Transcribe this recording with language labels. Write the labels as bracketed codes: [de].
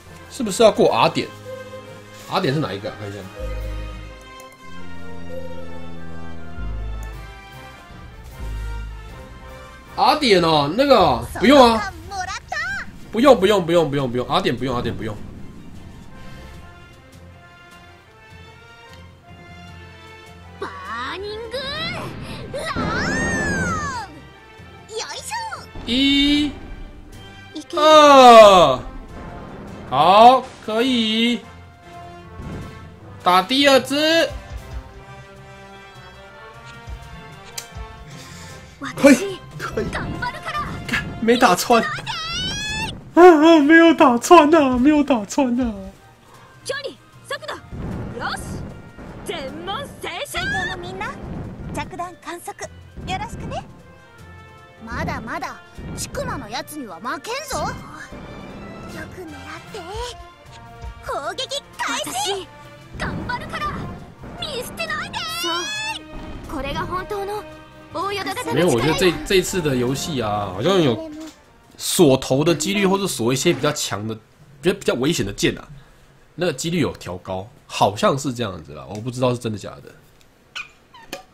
[zh] 是不是要过 R 点？R 点是哪一个？看一下。阿典哦，那个不用啊，不用不用不用不用不用，阿典不用阿典不用。 [ja] バーニングラン、よいしょ。 [zh] 一、二，好，可以打第二只。嘿。没打穿，没有打穿呐，没有打穿呐。 [ja] 距离，速度，よし，全問正解。最後のみんな、着弾観測、よろしくね。まだまだ、ちくまのやつには負けんぞ。よく狙って、攻撃開始。私、頑張るから、見捨てないで。そう、これが本当の。 [zh] 没有，我觉得这次的游戏啊，好像有锁头的几率，或是锁一些比较强的、比较危险的剑啊，那几率有调高，好像是这样子啦，我不知道是真的假的。